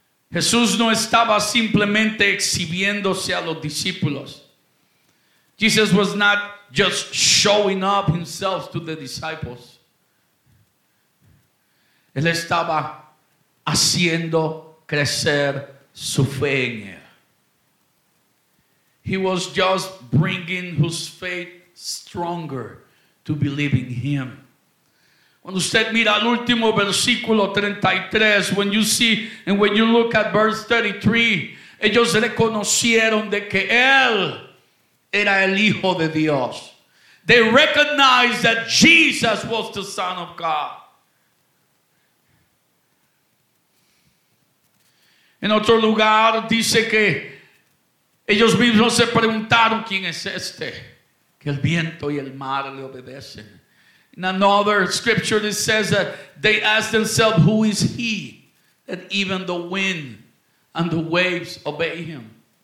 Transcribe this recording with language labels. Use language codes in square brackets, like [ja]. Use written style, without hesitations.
[es] Jesús no estaba simplemente exhibiéndose a los discípulos. [en] Jesus was not just showing up himself to the disciples. [es] Él estaba haciendo crecer su fe en él. [en] He was just bringing his faith stronger to believe in him. [es] Cuando usted mira el último versículo 33, [en] when you see and when you look at verse 33, [es] ellos reconocieron de que él era el Hijo de Dios. [en] They recognized that Jesus was the Son of God. [es] En otro lugar dice que ellos mismos se preguntaron quién es este, que el viento y el mar le obedecen. [en] In another scripture it says that they asked themselves, who is he that even the wind and the waves obey him?